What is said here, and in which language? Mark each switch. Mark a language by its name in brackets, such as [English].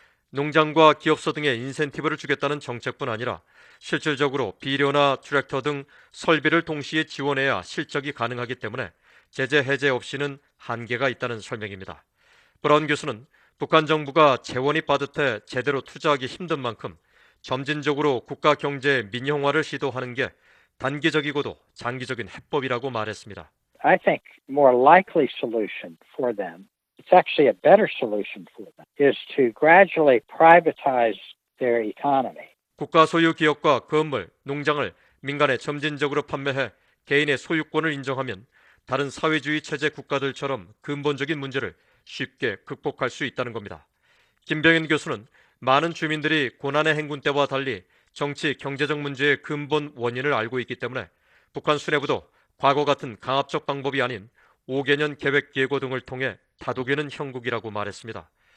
[Korean] 농장과 기업소 등의 인센티브를 주겠다는 정책뿐 아니라 실질적으로 비료나 트랙터 등 설비를 동시에 지원해야 실적이 가능하기 때문에 제재 해제 없이는 한계가 있다는 설명입니다. 브라운 교수는 북한 정부가 재원이 빠듯해 제대로 투자하기 힘든 만큼 점진적으로 국가 경제의 민영화를 시도하는 게 단기적이고도 장기적인 해법이라고 말했습니다. [English] I think more likely solution for them, it's actually a better solution for them, is to gradually privatize their economy. [Korean] 국가 소유 기업과 건물, 농장을 민간에 점진적으로 판매해 개인의 소유권을 인정하면 다른 사회주의 체제 국가들처럼 근본적인 문제를 쉽게 극복할 수 있다는 겁니다. 김병현 교수는 많은 주민들이 고난의 행군 때와 달리 정치, 경제적 문제의 근본 원인을 알고 있기 때문에 북한 수뇌부도 과거 같은 강압적 방법이 아닌 5개년 계획 예고 등을 통해 다독이는 형국이라고 말했습니다.